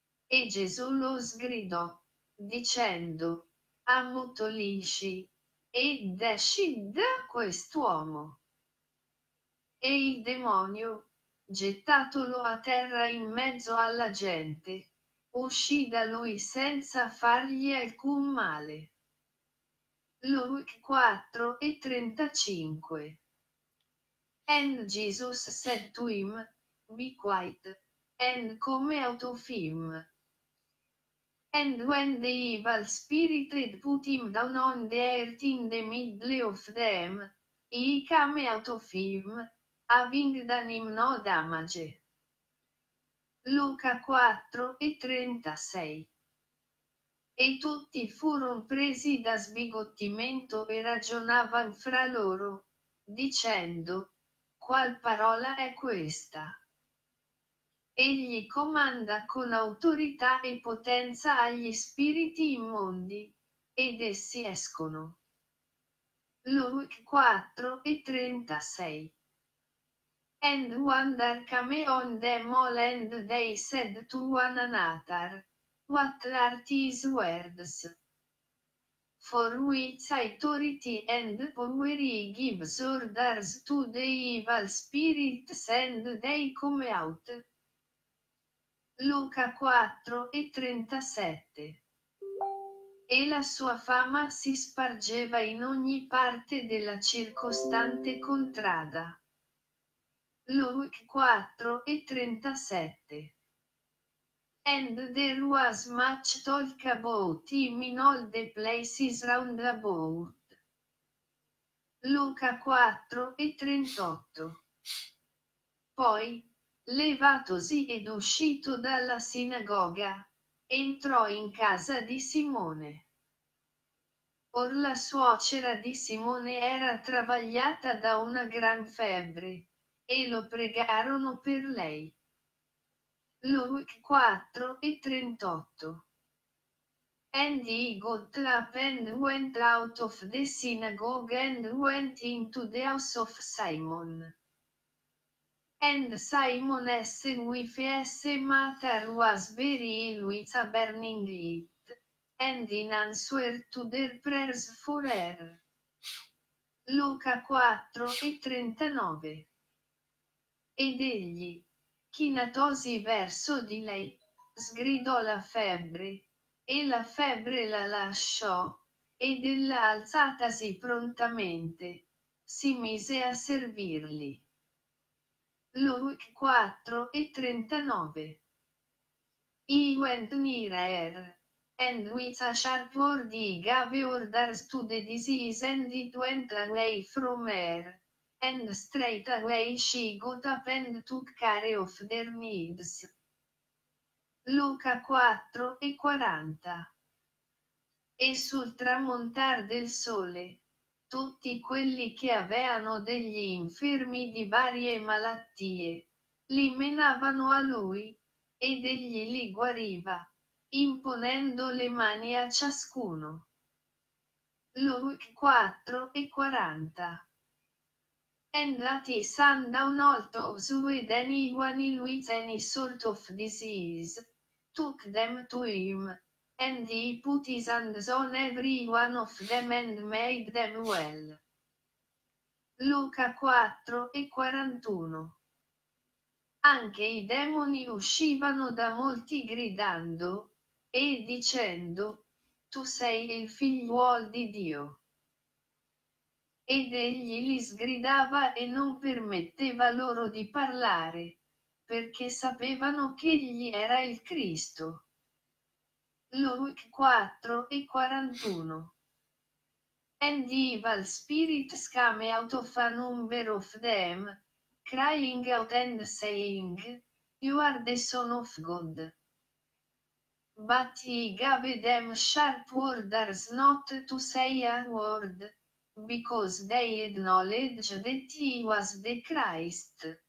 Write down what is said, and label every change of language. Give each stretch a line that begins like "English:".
Italian: E Gesù lo sgridò, dicendo, ammutolisci, ed esci da quest'uomo. E il demonio, gettatolo a terra in mezzo alla gente, uscì da lui senza fargli alcun male.
English: Luke 4 e 35. And Jesus said to him, be quiet, and come out of him. And when the evil spirit had put him down on the earth in the middle of them, he came out of him, having done him no damage.
Italian: Luca 4 e 36. E tutti furono presi da sbigottimento e ragionavano fra loro, dicendo, qual parola è questa? Egli comanda con autorità e potenza agli spiriti immondi, ed essi escono.
English: Luke 4 e 36. And wonder came on them all and they said to one another, what are these words? For which authority and power he gives orders to the evil spirits and they come out.
Italian: Luca 4 e 37. E la sua fama si spargeva in ogni parte della circostante contrada.
English: Luke 4 e 37. And there was much talk about him in all the places round about.
Italian: Luca 4 e 38. Poi, levatosi ed uscito dalla sinagoga, entrò in casa di Simone. Or la suocera di Simone era travagliata da una gran febbre, e lo pregarono per lei.
English: Luke 4 e 38. And he got up and went out of the synagogue and went into the house of Simon. And Simon's wife's mother was very ill with a burning heat, and in answer to their prayers for her.
Italian: Luca 4 e 39. Ed egli, chinatosi verso di lei, sgridò la febbre, e la febbre la lasciò, ed ella alzatasi prontamente, si mise a servirli.
English: Luke 4 e 39. He went near her, and with a sharp word he gave orders to the disease, and it went away from her. And straightway she got up and took care of their needs.
Italian: Luca 4 e 40. E sul tramontar del sole, tutti quelli che avevano degli infermi di varie malattie, li menavano a lui, ed egli li guariva, imponendo le mani a ciascuno. Luca 4 e 40.
English: And at his sundown all those with anyone ill with any sort of disease, took them to him, and he put his hands on every one of them and made them well.
Italian: Luca 4 e 41. Anche i demoni uscivano da molti gridando, e dicendo, tu sei il figliuol di Dio. Ed egli li sgridava e non permetteva loro di parlare, perché sapevano che egli era il Cristo.
English: Luke 4 e 41. And evil spirits came out of a number of them, crying out and saying, you are the Son of God. But he gave them sharp orders not to say a word, because they acknowledged that he was the Christ.